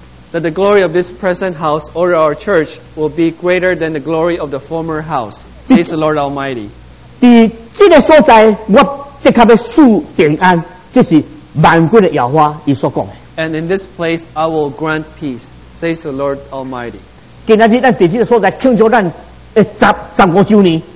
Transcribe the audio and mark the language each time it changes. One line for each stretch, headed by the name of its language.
English: That the glory of this present house or our church will be greater than the glory of the former house, says the Lord Almighty.
Min Nan Chinese: 在这个所在，我的确要树平安，这是万军的耶和华伊所讲的。
English: And in this place I will grant peace, says the Lord Almighty.
Min Nan Chinese: 今仔日咱地址的所在庆祝咱的十五周年。